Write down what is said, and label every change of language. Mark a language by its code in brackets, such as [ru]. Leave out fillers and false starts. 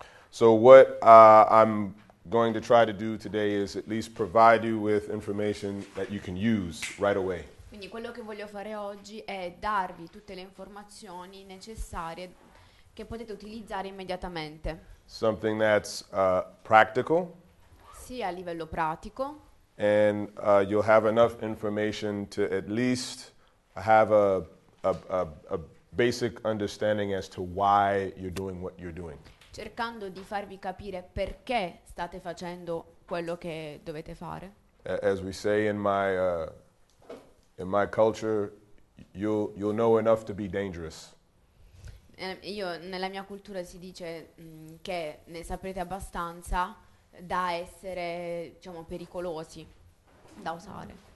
[en] So what I'm going to try to do today is at least provide you with information that you can use right away. [it] Quindi quello che voglio fare oggi è darvi tutte le informazioni necessarie che potete utilizzare immediatamente. [en] Something that's practical. [it] Sì, a livello pratico. [en] And you'll have enough information to at least have a basic understanding as to why you're doing what you're doing. [it] Cercando di farvi capire perché state facendo quello che dovete fare. [en] As we say in my culture, you'll know enough to be dangerous. [it] Io nella mia cultura si dice che ne saprete abbastanza da essere, diciamo, pericolosi da usare.